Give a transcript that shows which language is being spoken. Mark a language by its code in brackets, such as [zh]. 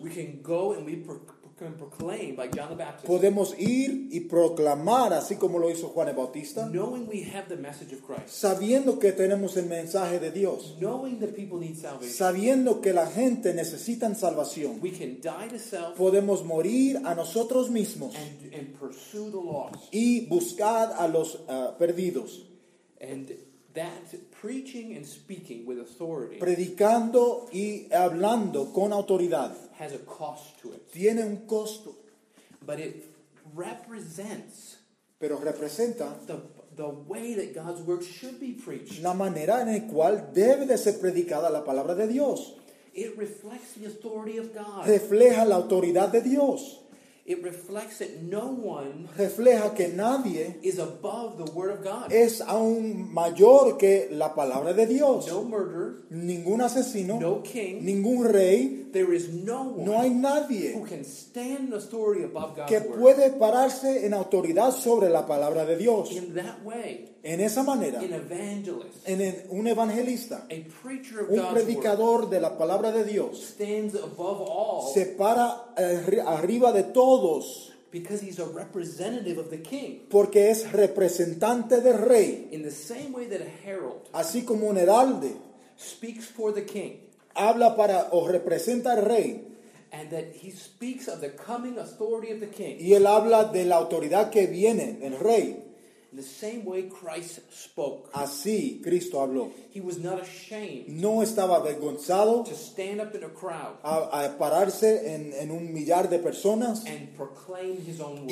[en] We can go and we can proclaim like John the Baptist. [es] Podemos ir y proclamar así como lo hizo Juan el Bautista. [en] Knowing we have the message of Christ. [es] Sabiendo que tenemos el mensaje de Dios. [en] Knowing that people need salvation. [es] Sabiendo que la gente necesita salvación. [en] We can die to self. [es] Podemos morir a nosotros mismos. [en] And pursue the lost. [es] Y buscar a los perdidos. [en] And that preaching and speaking with authority, [es] predicando y hablando con autoridad, [en] has a cost to it. [es] Tiene un costo, [en] but it represents, [es] pero representa [en] the way that God's word should be preached. [es] La manera en la cual debe de ser predicada la palabra de Dios. [en] It reflects the authority of God. [es] Refleja la autoridad de Dios. [en] It reflects that no one [es] refleja que nadie [en] is above the word of God. [es] Es aún mayor que la palabra de Dios. [en] No murderer, [es] ningún asesino, [en] no king, [es] ningún rey. [en] There is no one, [es] no hay nadie, [en] who can stand in authority above God's [es] que [en] word. [es] Puede pararse en autoridad sobre la palabra de Dios. [en] In that way, [es] en esa manera, [en] an evangelist, [es] en un evangelista, [en] a preacher of [es] un [en] God's [es] predicador [en] word, [es] de la palabra de Dios, [en] stands above all, [es] se para arriba de todos, [en] because he's a representative of the king. [es] Porque es representante del rey. [en] In the same way that a herald, [es] así como un heralde, [en] speaks for the king, [es] habla para o representa al rey, [en] and that he speaks of the coming authority of the king, [es] y él habla de la autoridad que viene el rey. [en] In the same way Christ spoke, [es] así Cristo habló. [en] He was not ashamed, [es] no estaba avergonzado, [en] to stand up in a crowd, [es] a pararse en un millar de personas, [en] and proclaim his own word,